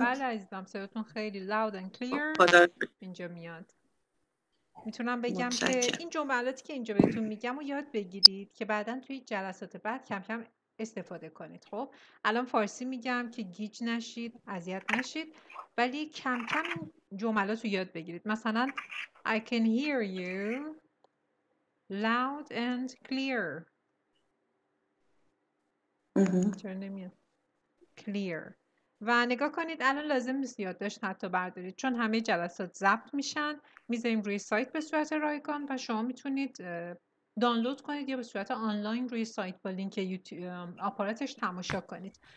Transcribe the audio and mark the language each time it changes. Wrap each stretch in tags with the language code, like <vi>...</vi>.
<fa>بله عزیزم، صدایتون خیلی</fa> <en>loud and clear</en> <fa>اینجا میاد. میتونم بگم که این جملاتی که اینجا بهتون میگم و یاد بگیرید که بعدا توی جلسات بعد کم کم استفاده کنید. خب الان فارسی میگم که گیج نشید، اذیت نشید، ولی کم کم جملات رو یاد بگیرید.</fa> <en>مثلا I can hear you loud and clear.</en> <fa>چرا نمیاد؟ clear. و نگاه کنید الان لازم نیست یاد داشت حتی بردارید، چون همه جلسات ضبط میشن، میذاریم روی سایت به صورت رایگان و شما میتونید دانلود کنید یا به صورت آنلاین روی سایت با لینک یوتیوب آپاراتش تماشا کنید.</fa>